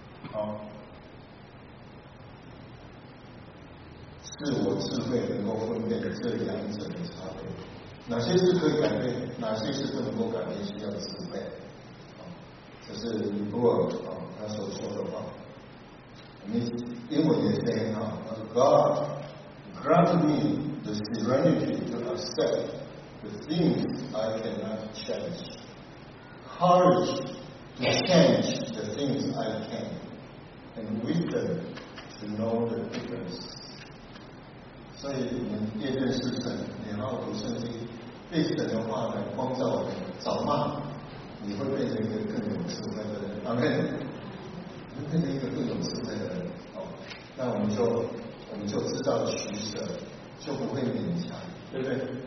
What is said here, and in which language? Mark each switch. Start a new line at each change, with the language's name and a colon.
Chinese: 好，是我智慧能够分辨这两者的差别，哪些是可以改变，哪些是不能够改变，需要智慧。这是尼布尔他所说的话。我们英文也是很好，他说
English: God grant me the serenity to accept the things I cannot change, courage change the things I can, and wisdom to know the difference.
Chinese: 所以我们夜间是神，你要读圣经，被神的话来光照我们。早上你会变成一个更有智慧的人，阿门。你会变成一个更有智慧的人，哦，那我们就知道取舍，就不会勉强，对不对？